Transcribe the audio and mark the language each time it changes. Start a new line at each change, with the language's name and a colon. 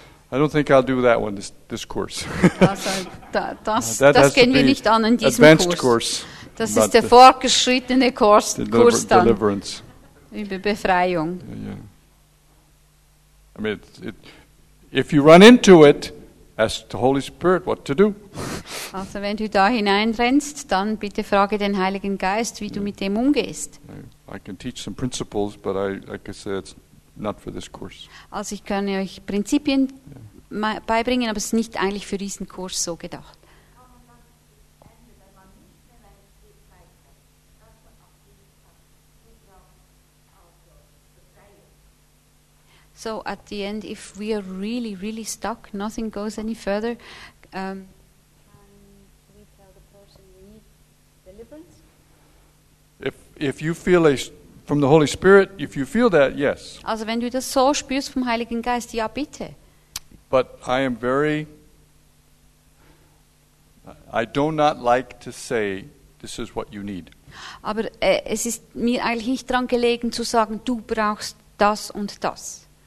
English: I don't think I'll do that one, this course.
German: das gehen wir nicht an in diesem
English: advanced Course,
German: das ist der fortgeschrittene Kurs, Kurs dann.
English: Deliverance.
German: Über Befreiung.
English: Yeah. I mean, if you run into it, ask the Holy Spirit what to do.
German: Also wenn du da hineinrennst, dann bitte frage den Heiligen Geist, wie du mit dem umgehst.
English: I can teach some principles, but I, like I said, it's not for this course.
German: Also ich kann euch Prinzipien beibringen, aber es ist nicht eigentlich für diesen Kurs so gedacht.
English: So at the end, if we are really, really stuck, nothing goes any further, can we tell the person we need deliverance? If you feel from the Holy Spirit, if you feel that, yes.
German: Also wenn du das so spürst vom Heiligen Geist, ja bitte.
English: But I am very, I do not like to say, this is what you need.
German: Aber es ist mir eigentlich nicht dran gelegen zu sagen, du brauchst das und das.